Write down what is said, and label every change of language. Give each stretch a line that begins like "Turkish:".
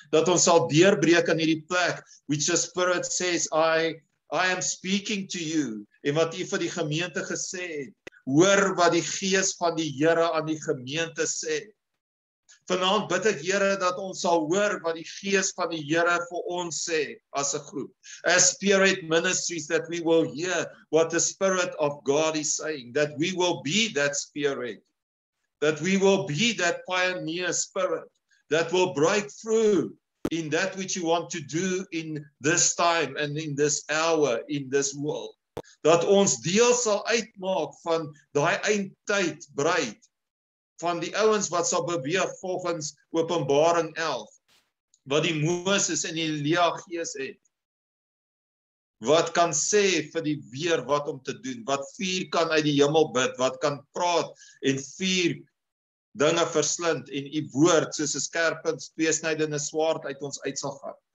Afrikaans: Dat ons sal deurbreek in hierdie plek,
English: which the Spirit says, I am speaking to you,
Afrikaans: en wat U vir die gemeente gesê het. Hoor wat die gees van die Here aan die gemeente sê. Vanaand bid ek, Here, dat ons sal hoor wat die gees van die Here vir ons sê as 'n groep.
English: As Spirit Ministries, that we will hear what the Spirit of God is saying, that we will be that Spirit, that we will be that pioneer Spirit, that will break through in that which you want to do in this time and in this hour, in this world.
Afrikaans: Dat ons deel sal uitmaak van daai eindtyd breed, van die ouens wat sal beweeg volgens Openbaring 11, wat die Moses en die Elia gees het, wat kan sê vir die weer wat om te doen, wat vuur kan uit die hemel bid, wat kan praat en vuur dinge verslind en die woord soos 'n skerp en tweesnydende swaard uit ons uit sal gaan.